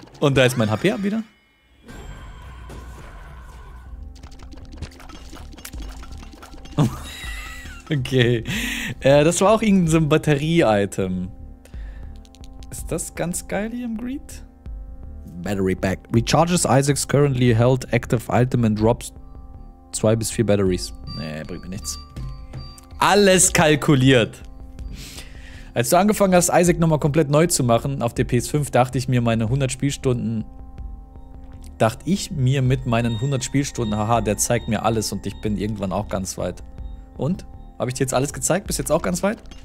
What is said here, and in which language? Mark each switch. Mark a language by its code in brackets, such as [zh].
[de] Und da ist mein HP ab wieder. Okay. Das war auch irgendein so ein Batterie-Item. Ist das ganz geil hier im Greed? [en] Battery Pack. Recharges Isaac's currently held active item and drops 2 bis 4 Batteries. [de] Nee, bringt mir nichts. Alles kalkuliert. Als du angefangen hast, Isaac nochmal komplett neu zu machen auf der PS5, dachte ich mir, meine 100 Spielstunden. Dachte ich mir mit meinen 100 Spielstunden, haha, der zeigt mir alles und ich bin irgendwann auch ganz weit. Und? Habe ich dir jetzt alles gezeigt? Bist jetzt auch ganz weit?